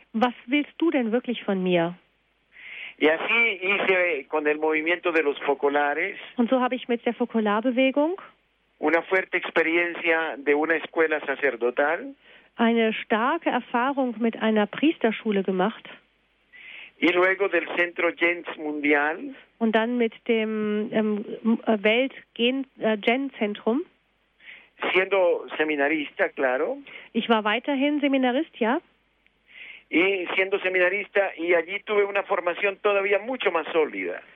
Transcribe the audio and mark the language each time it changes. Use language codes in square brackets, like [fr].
[de] was willst du denn wirklich von mir? [es] Y así hice con el movimiento de los focolares, [de] und so habe ich mit der Fokularbewegung [es] una fuerte experiencia de una escuela sacerdotal, [de] eine starke Erfahrung mit einer Priesterschule gemacht. [es] Y luego del Centro Gens Mundial. [de] Und dann mit dem Welt-Gen-Zentrum. [es] Siendo seminarista, claro. [de] Ich war weiterhin Seminarist, ja. [es] Y siendo seminarista, y allí tuve una formación todavía mucho más sólida.